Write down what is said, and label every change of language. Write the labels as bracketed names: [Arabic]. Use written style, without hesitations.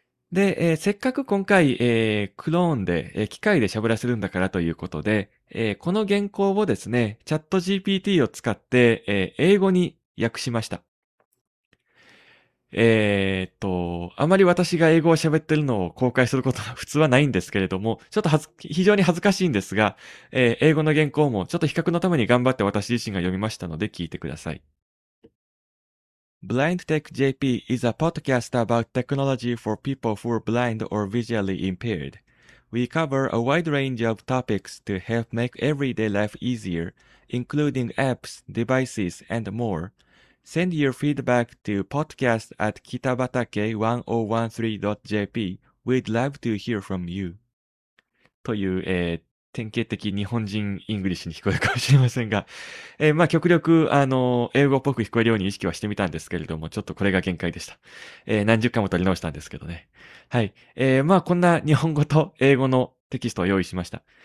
[Japanese] で、せっかく今回、クローンで、機械で喋らせるんだからということで、この原稿をですね、チャット GPT を使って、英語に訳しました。あまり私が英語を喋ってるのを公開することは普通はないんですけれども、ちょっと非常に恥ずかしいんですが、英語の原稿もちょっと比較のために頑張って私自身が読みましたので聞いてください。 [English] Blind Tech JP is a podcast about technology for people who are blind or visually impaired. We cover a wide range of topics to help make everyday life easier, including apps, devices, and more. Send your feedback to podcast@kitabatake1013.jp. We'd love to hear from you. [Japanese] という、典型的日本人イングリッシュに聞こえるかもしれませんが、まあ、極力、英語っぽく聞こえるように意識はしてみたんですけれども、ちょっとこれが限界でした。何十回も取り直したんですけどね。はい。まあ、こんな日本語と英語のテキストを用意しました。